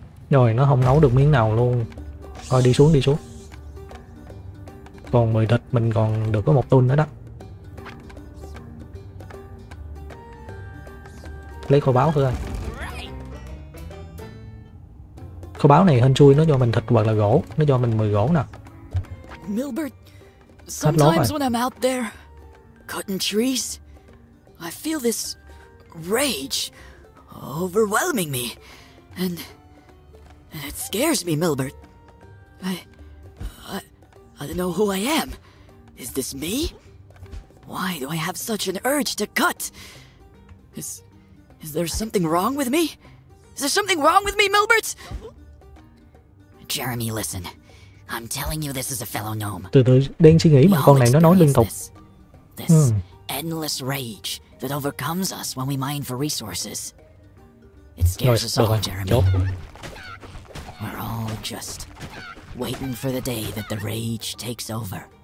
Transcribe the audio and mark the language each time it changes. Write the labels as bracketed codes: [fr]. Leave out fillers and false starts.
[vi] Rồi, nó không nấu được miếng nào luôn. Thôi đi xuống, đi xuống. Còn 10 thịt, mình còn được có một tool nữa đó. Lấy kho báu thôi. Kho báu này hên xui, nó cho mình thịt hoặc là gỗ. Nó cho mình 10 gỗ nè. [en] Milbert, sometimes when I'm out there cutting trees, I feel this rage overwhelming me. And it scares me, Milbert. I don't know who I am. Is this me? Why do I have such an urge to cut? Is there something wrong with me? Is there something wrong with me, Milbert? Jeremy, listen. I'm telling you this as a fellow gnome. [vi] Từ từ, đang suy nghĩ mà con này nó nói liên tục. [en] This endless rage that overcomes us when we mine for resources. It scares us all, Jeremy. We're all just waiting for the day that the rage takes over.